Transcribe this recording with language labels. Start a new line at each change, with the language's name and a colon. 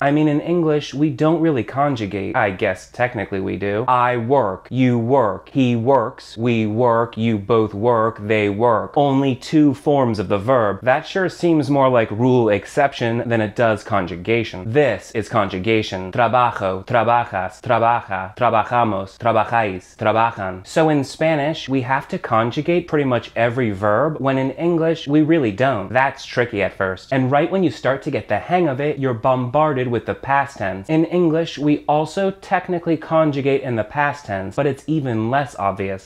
English: I mean, in English, we don't really conjugate. I guess technically we do. I work, you work, he works, we work, you both work, they work. Only two forms of the verb. That sure seems more like rule exception than it does conjugation. This is conjugation.
Spanish: Trabajo, trabajas, trabaja, trabajamos, trabajáis, trabajan.
English: So in Spanish, we have to conjugate pretty much every verb, when in English, we really don't. That's tricky at first. And right when you start to get the hang of it, you're bombarded with the past tense. In English, we also technically conjugate in the past tense, but it's even less obvious.